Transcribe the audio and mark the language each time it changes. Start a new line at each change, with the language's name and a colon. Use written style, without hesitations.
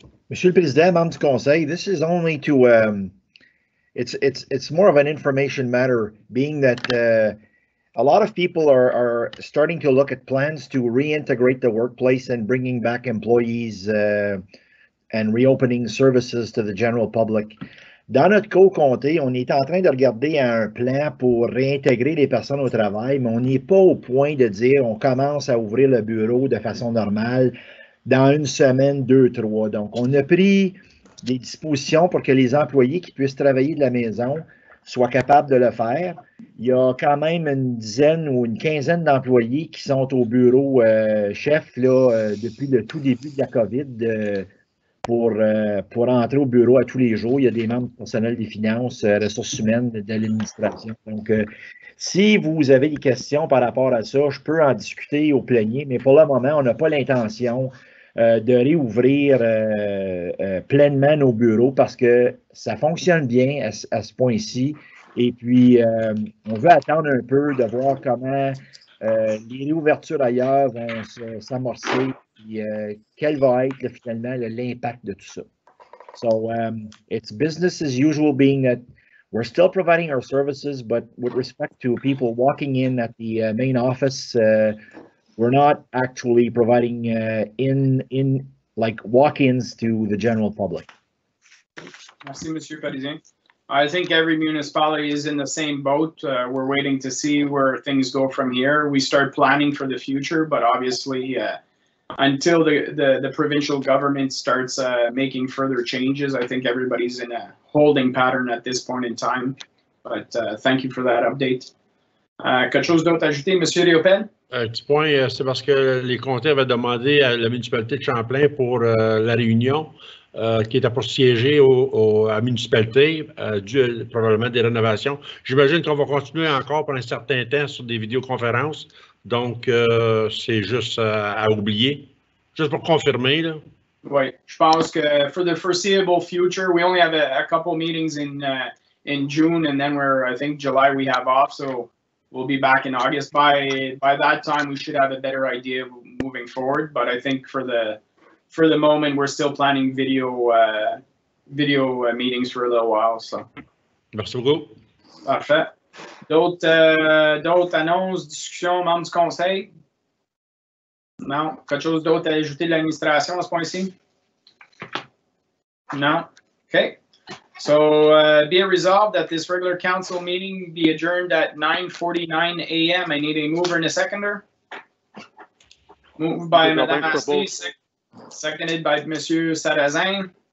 French: Monsieur le Président, membre du Conseil,
English: this is only to, it's more of an information matter, being that a lot of people are starting to look at plans to reintegrate the workplace and bringing back employees and reopening services to the general public.
French: Dans notre co-comté, on est en train de regarder un plan pour réintégrer les personnes au travail, mais on n'est pas au point de dire on commence à ouvrir le bureau de façon normale dans une semaine, deux, trois. Donc, on a pris des dispositions pour que les employés qui puissent travailler de la maison soient capables de le faire. Il y a quand même une dizaine ou une quinzaine d'employés qui sont au bureau chef là, depuis le tout début de la COVID pour entrer au bureau à tous les jours. Il y a des membres personnels des finances, ressources humaines de l'administration. Donc, si vous avez des questions par rapport à ça, je peux en discuter au plénier, mais pour le moment, on n'a pas l'intention de réouvrir pleinement nos bureaux parce que ça fonctionne bien à ce point-ci. Et puis, on veut attendre un peu de voir comment les réouvertures ailleurs vont s'amorcer et quel va être là, finalement l'impact de tout ça.
English: So, it's business as usual being that we're still providing our services, but with respect to people walking in at the main office, we're not actually providing in like walk-ins to the general public.
French: Merci, Monsieur Parisien.
English: I think every municipality is in the same boat. We're waiting to see where things go from here. We start planning for the future, but obviously until the provincial government starts making further changes, I think everybody's in a holding pattern at this point in time. But thank you for that update.
French: Quelque chose d'autre à ajouter, Monsieur Riopelle? Un petit point, c'est parce que les comtés avaient demandé à la municipalité de Champlain pour la Réunion, qui était pour siéger à la municipalité, dû probablement des rénovations. J'imagine qu'on va continuer encore pour un certain temps sur des vidéoconférences. Donc, c'est juste à oublier. Juste pour confirmer, là. Oui, je pense que
English: for the foreseeable future, we only have a couple meetings in June, and then we're, I think, July we have off, so we'll be back in August. By that time, we should have a better idea moving forward, but I think for the moment, we're still planning video meetings for a little while, so.
French: Merci beaucoup. Parfait. D'autres annonces, discussions, membres du conseil? Non. Quelque chose d'autre à ajouter de l'administration à ce point-ci? Non. OK.
English: So, be it resolved that this regular council meeting be adjourned at 9:49 a.m. I need a mover and a seconder. Moved by Madame Astley, seconded by Monsieur Sarrazin.